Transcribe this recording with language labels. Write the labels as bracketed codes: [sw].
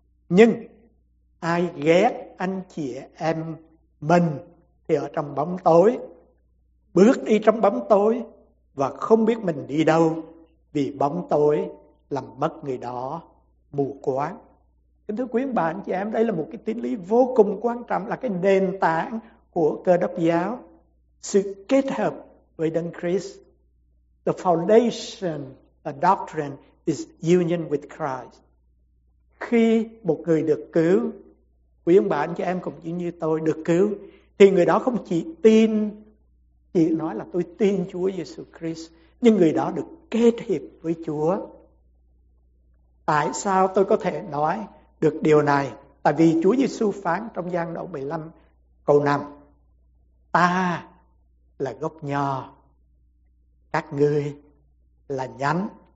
[vi] Nhưng ai ghét anh chị em mình thì ở trong bóng tối, bước đi trong bóng tối và không biết mình đi đâu, vì bóng tối làm mất người đó mù quáng. Kính thưa quý ông bà anh chị em, đây là một cái tín lý vô cùng quan trọng, là cái nền tảng của Cơ Đốc giáo, sự kết hợp với Đấng Christ. [en] The foundation, a doctrine is union with Christ. [vi] Khi một người được cứu, quý ông bà anh chị em cũng như tôi được cứu, thì người đó không chỉ tin, chỉ nói là tôi tin Chúa Giêsu Christ, nhưng người đó được kết hiệp với Chúa. Tại sao tôi có thể nói được điều này? Tại vì Chúa Giêsu phán trong Giăng đoạn 15 câu 5: ta là gốc nho, các ngươi là nhánh.